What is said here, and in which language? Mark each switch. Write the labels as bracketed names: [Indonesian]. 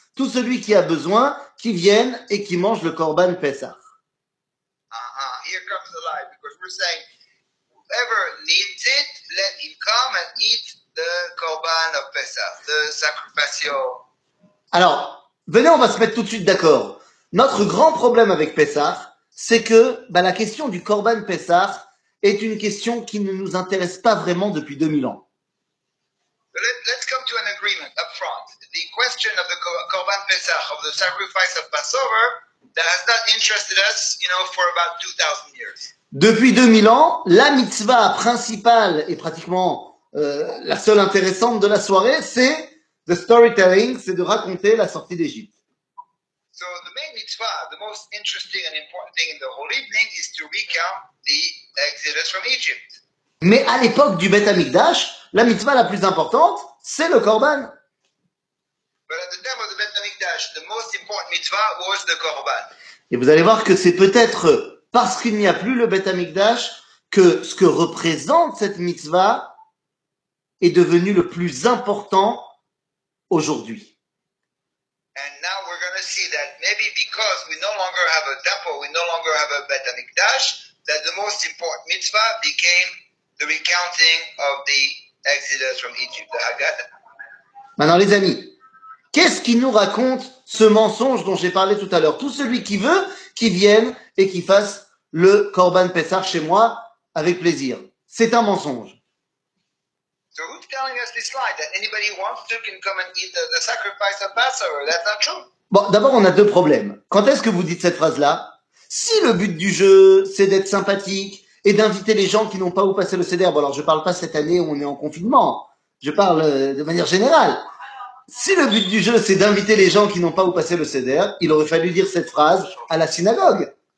[French] Tout celui qui a besoin, qui vienne et qui mange le korban pesach. [English] Here comes the lie, because we're saying, whoever needs it, let him come and eat the korban of Pesach, the sacrificio. [French] Alors, venez, on va se mettre tout de suite d'accord. Notre grand problème avec Pessah, c'est que la question du Korban Pessah est une question qui ne nous intéresse pas vraiment depuis 2000 ans. [English] Let's come to an agreement up front. The question of the Korban Pesach, of the sacrifice of Passover, that has not interested us, you know, for about 2000 years. [French] Depuis 2000 ans, la mitzvah principale et pratiquement la seule intéressante de la soirée, c'est [English] the storytelling, [French] c'est de raconter la sortie d'Égypte. [English] So the main mitzvah, the most interesting and important thing in the whole evening is to recount the exodus from Egypt. [French] Mais à l'époque du Beth Amikdash, la mitzvah la plus importante, c'est le korban. [English] But at the time of the Beth Amikdash, the most important mitzvah was the Korban. [French] Et vous allez voir que c'est peut-être parce qu'il n'y a plus le Beth Amikdash que ce que représente cette mitzvah est devenu le plus important aujourd'hui. [English] And now we're going to see that maybe because we no longer have a temple, we no longer have a Beit HaMikdash, that the most important mitzvah became the recounting of the Exodus from Egypt, the Haggadah. [French] Maintenant, les amis, qu'est-ce qui nous raconte ce mensonge dont j'ai parlé tout à l'heure? Tout celui qui veut, qui vienne et qui fasse le Corban Pessah chez moi avec plaisir. C'est un mensonge. [English] So who's telling us this lie that anybody who wants to can come and eat the sacrifice of Passover? That's not true. [French] Bon, d'abord, on a deux problèmes. Quand est-ce que vous dites cette phrase-là? Si le but du jeu, c'est d'être sympathique et d'inviter les gens qui n'ont pas où passer le CDR, bon, alors je ne parle pas cette année où on est en confinement, je parle de manière générale. Si le but du jeu, c'est d'inviter les gens qui n'ont pas où passer le CDR, il aurait fallu dire cette phrase à la synagogue.